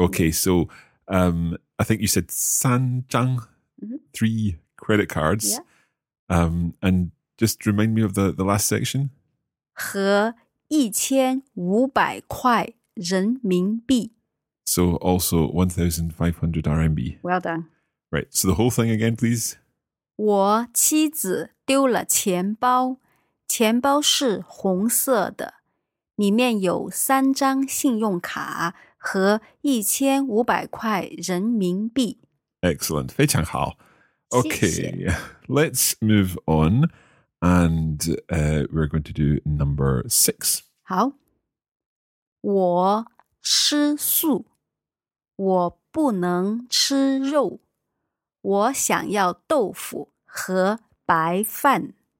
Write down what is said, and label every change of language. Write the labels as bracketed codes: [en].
[en] Okay, so I think you said 三张, three credit cards. Yeah. And just remind me of the last section. [zh] 和一千五百块人民币. [en] So also 1,500 RMB. Well done. Right, so the whole thing again, please. [zh] 我妻子丢了钱包，钱包是红色的，里面有三张信用卡和一千五百块人民币。 [en] Excellent, [zh] 非常好。 [en] Okay, [zh] 谢谢。 [en] Let's move on, and we're going to do number 6. [zh] 好。我吃素，我不能吃肉。我想要豆腐和白饭。